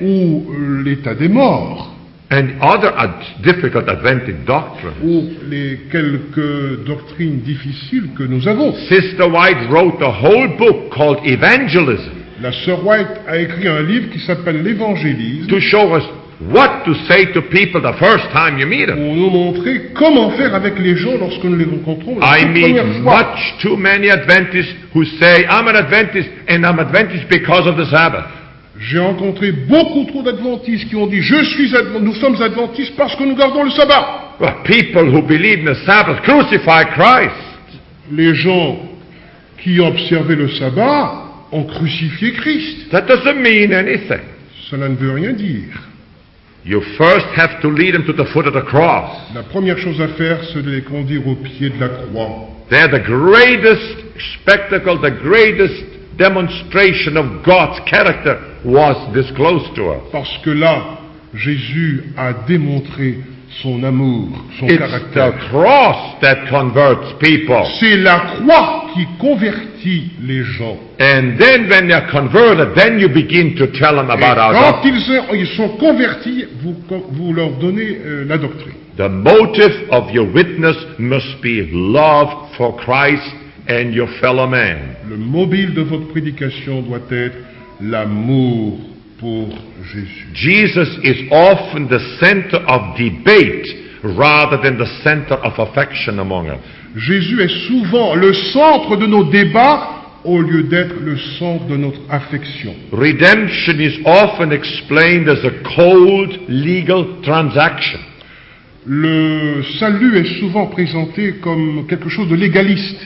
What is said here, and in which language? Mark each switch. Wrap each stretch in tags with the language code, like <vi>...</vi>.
<fr>Ou l'état des morts.</fr> <en>And other difficult Adventist doctrines.</en> <fr>Ou les quelques doctrines difficiles que nous avons.</fr> <en>Sister White wrote a whole book called Evangelism.</en> <fr>La sœur White a écrit un livre qui s'appelle l'Évangélisme.</fr> <en>To show us what to say to people the first time you meet them.</en> <fr>Pour nous montrer comment faire avec les gens lorsque nous les rencontrons.</fr> <en>I meet much too many Adventists who say I'm an Adventist and I'm Adventist because of the Sabbath.</en> <fr>J'ai rencontré beaucoup trop d'adventistes qui ont dit nous sommes adventistes parce que nous gardons le sabbat.</fr> <en>But people who believe in the Sabbath crucify Christ.</en> <fr>Les gens qui observaient le sabbat ont crucifié Christ.</fr> <en>That doesn't mean anything.</en> <fr>Cela ne veut rien dire.</fr> <en>You first have to lead them to the foot of the cross.</en> <fr>La première chose à faire, c'est de les conduire au pied de la croix.</fr> <en>They're the greatest spectacle, the greatest demonstration of God's character was disclosed to us.</en> <fr>Parce que là, Jésus a démontré son amour, son</fr> <en>It's</en> <fr>caractère.</fr> <en>It's the cross that converts people.</en> <fr>C'est la croix qui convertit les gens.</fr> <en>And then when they're converted, then you begin to tell them about</en> <fr>Et</fr> <en>our</en> <fr>quand</fr> <en>doctrine.</en> <fr>Quand ils sont convertis, vous leur donnez la doctrine.</fr> <en>The motive of your witness must be love for Christ and your fellow man.</en> <fr>Le mobile de votre prédication doit être l'amour pour Jésus.</fr> <en>Jesus is often the center of debate rather than the center of affection among us.</en> <fr>Jésus est souvent le centre de nos débats au lieu d'être le centre de notre affection.</fr> <en>Redemption is often explained as a cold legal transaction.</en> <fr>Le salut est souvent présenté comme quelque chose de légaliste.</fr>